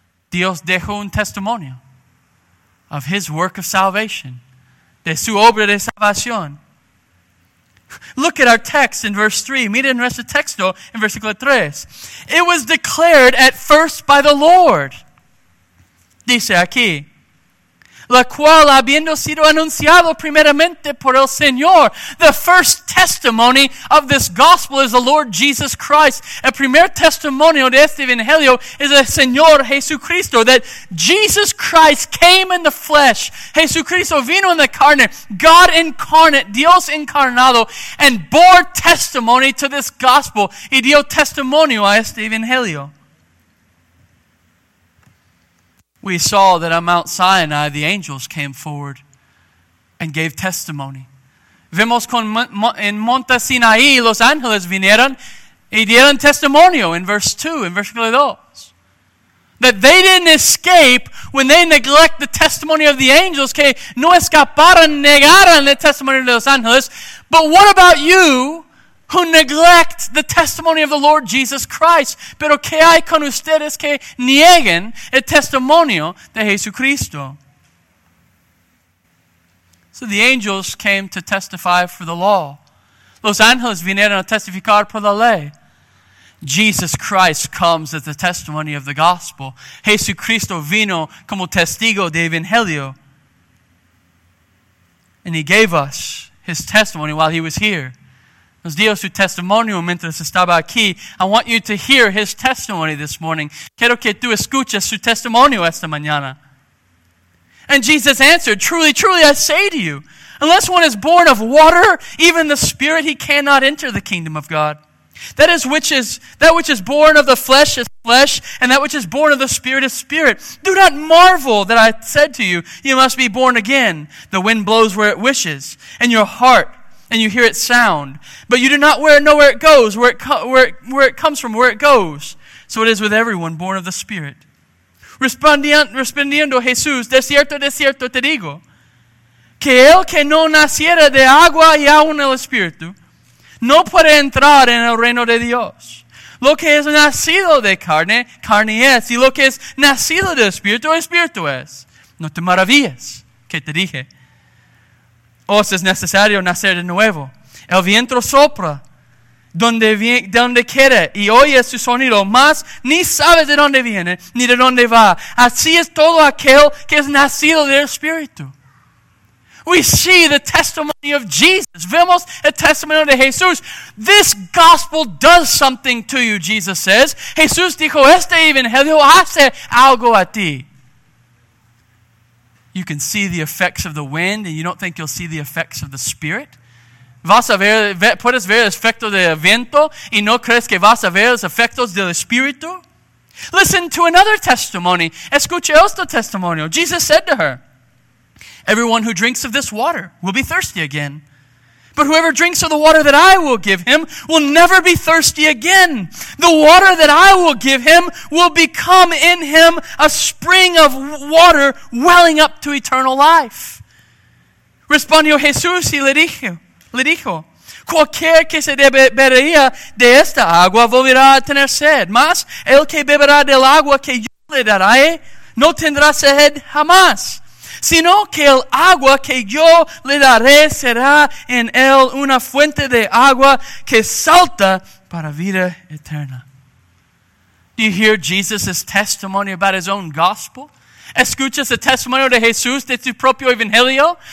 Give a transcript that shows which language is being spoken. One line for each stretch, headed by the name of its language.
Spanish: Dios dejó un testimonio
English: of his work of salvation,
Spanish: de su obra de salvación.
English: Look at our text in verse 3.
Spanish: Mira nuestro texto en versículo 3.
English: It was declared at first by the Lord.
Spanish: Dice aquí, la cual habiendo sido anunciado primeramente por el Señor.
English: The first testimony of this gospel is the Lord Jesus Christ.
Spanish: El primer testimonio de este evangelio es el Señor Jesucristo.
English: That Jesus Christ came in the flesh.
Spanish: Jesucristo vino en la carne.
English: God incarnate,
Spanish: Dios encarnado,
English: and bore testimony to this gospel.
Spanish: Y dio testimonio a este evangelio.
English: We saw that on Mount Sinai, the angels came forward and gave testimony.
Spanish: Vemos en Monte Sinai, los ángeles vinieron y dieron testimonio
English: in verse 2,
Spanish: in versículo 2.
English: That they didn't escape when they neglect the testimony of the angels,
Spanish: que no escaparon, negaron el testimonio de los ángeles.
English: But what about you who neglect the testimony of the Lord Jesus Christ?
Spanish: Pero que hay con ustedes que niegan el testimonio de Jesucristo?
English: So the angels came to testify for the law.
Spanish: Los ángeles vinieron a testificar por la ley.
English: Jesus Christ comes as the testimony of the gospel.
Spanish: Jesucristo vino como testigo de evangelio.
English: And he gave us his testimony while he was here.
Spanish: Nos dio su testimonio mientras estaba aquí.
English: I want you to hear his testimony this morning.
Spanish: Quiero que tú escuches su testimonio esta mañana.
English: And Jesus answered, truly, truly, I say to you, unless one is born of water, even the Spirit, he cannot enter the kingdom of God. That which is born of the flesh is flesh, and that which is born of the Spirit is spirit. Do not marvel that I said to you, you must be born again. The wind blows where it wishes, and your heart, and you hear its sound, but you do not know where it goes, where it comes from, where it goes. So it is with everyone born of the Spirit.
Spanish: Respondiendo Jesús, de cierto te digo, que el que no naciera de agua y aún el Espíritu, no puede entrar en el reino de Dios. Lo que es nacido de carne, carne es, y lo que es nacido de Espíritu, Espíritu es. No te maravilles, que te dije. Os es necesario nacer de nuevo. El viento sopra donde quiere y oye su sonido, mas ni sabes de dónde viene ni de dónde va. Así es todo aquel que es nacido del Espíritu.
English: We see the testimony of Jesus.
Spanish: Vemos el testimonio de Jesús.
English: This gospel does something to you, Jesus says.
Spanish: Jesús dijo, este evangelio hace algo a ti.
English: You can see the effects of the wind, and you don't think you'll see the effects of the Spirit.
Spanish: Vas a ver, puedes ver el efecto del viento, y no crees que vas a ver los efectos del Espíritu.
English: Listen to another testimony.
Spanish: Escucha otro testimonio.
English: Jesus said to her, everyone who drinks of this water will be thirsty again. But whoever drinks of the water that I will give him will never be thirsty again. The water that I will give him will become in him a spring of water welling up to eternal life.
Spanish: Respondió Jesús y le dijo, cualquier que se bebería de esta agua volverá a tener sed. Mas el que beberá del agua que yo le daré no tendrá sed jamás. Sino que el agua que yo le daré será en él una fuente de agua que salta para vida eterna.
English: Do you hear Jesus' testimony about his own gospel?
Spanish: ¿Escuchas el testimonio de Jesús de tu propio evangelio?